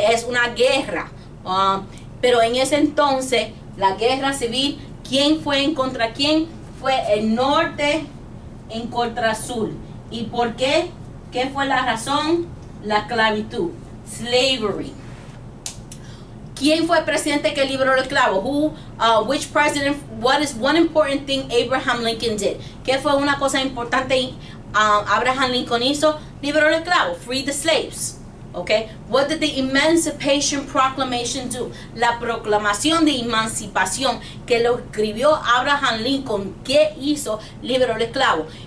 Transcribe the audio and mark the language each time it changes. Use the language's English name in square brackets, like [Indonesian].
[Spanish] Es una guerra. Pero en ese entonces, la guerra civil, ¿quién fue en contra quién? Fue el norte en contra sur. ¿Y por qué? ¿Qué fue la razón? La esclavitud. Slavery. ¿Quién fue el presidente que libró el clavo? [English] Who, which president, what is one important thing Abraham Lincoln did? [Spanish] ¿Qué fue una cosa importante Abraham Lincoln hizo? Libró el clavo, [English] free the slaves. Okay. What did the Emancipation Proclamation do? [Spanish] La proclamación de emancipación que lo escribió Abraham Lincoln, ¿qué hizo? Libró el esclavo.